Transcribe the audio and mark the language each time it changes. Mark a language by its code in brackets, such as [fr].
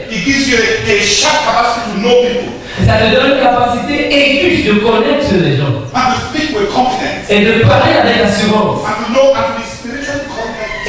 [en] It gives you a sharp capacity to know people. [fr] Ça te donne une capacité aiguë de connaître les gens. [en] And to speak with confidence. [fr] Et de parler avec assurance. [en] And to know and to be spiritually correct.